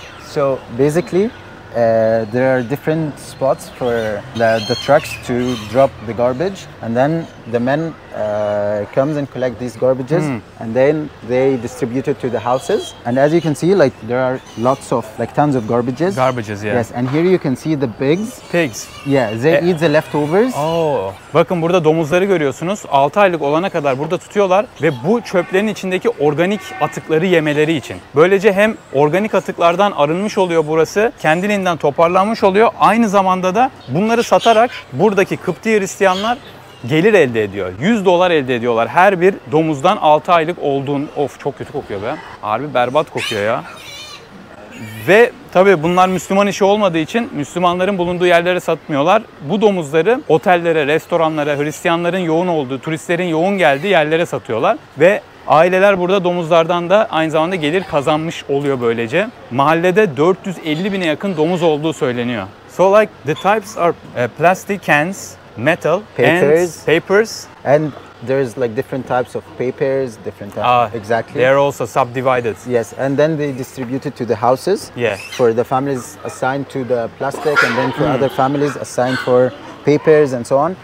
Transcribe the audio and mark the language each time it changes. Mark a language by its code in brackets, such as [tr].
[en] So basically there are different spots for the trucks to drop the garbage, and then the men comes and collect these garbages and then they distribute it to the houses. And as you can see, like, there are lots of, like, tons of garbages. Garbages, yeah. Yes, and here you can see the pigs. Pigs. Yeah, they eat the leftovers. [tr] Oh. Bakın burada domuzları görüyorsunuz. 6 aylık olana kadar burada tutuyorlar ve bu çöplerin içindeki organik atıkları yemeleri için. Böylece hem organik atıklardan arınmış oluyor burası, kendiliğinden toparlanmış oluyor. Aynı zamanda da bunları satarak buradaki Kıpti Hristiyanlar gelir elde ediyor. 100 dolar elde ediyorlar her bir domuzdan 6 aylık olduğun. Of, çok kötü kokuyor be. Harbi berbat kokuyor ya. Ve tabii bunlar Müslüman işi olmadığı için Müslümanların bulunduğu yerlere satmıyorlar. Bu domuzları otellere, restoranlara, Hristiyanların yoğun olduğu, turistlerin yoğun geldiği yerlere satıyorlar. Ve aileler burada domuzlardan da aynı zamanda gelir kazanmış oluyor böylece. Mahallede 450 bine yakın domuz olduğu söyleniyor. [en] So like the types are plastic cans, metal, papers. And there's like different types of papers, different types. Exactly. They're also subdivided. Yes, and then they distribute it to the houses. Yeah. For the families assigned to the plastic, and then for other families assigned for papers and so on.